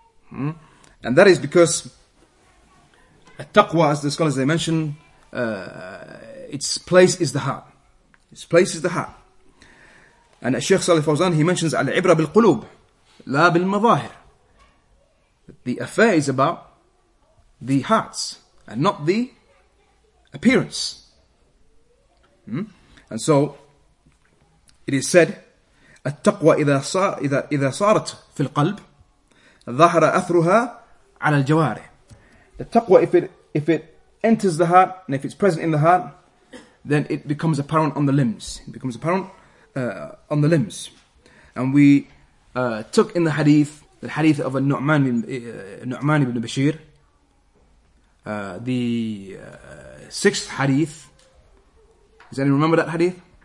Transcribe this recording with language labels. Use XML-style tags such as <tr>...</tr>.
<en>And that is because التَّقْوَى, as the scholars they mention, its place is the heart. Its place is the heart. And Sheikh Salih Fawzan, he mentions</en> <ar>الْعِبْرَ بِالْقُلُوبِ لَا بِالْمَظَاهِرِ.</ar> <en>The affair is about the hearts and not the appearance. And so it is said,</en> <ar>"التقوى إذا صارت في القلب ظهر أثرها على الجوارح."</ar> <en>The taqwa, if it enters the heart and if it's present in the heart, then it becomes apparent on the limbs. It becomes apparent on the limbs. And we took in the hadith. The hadith of Nu'man ibn Bashir, the sixth hadith. Does anyone remember that hadith?</en>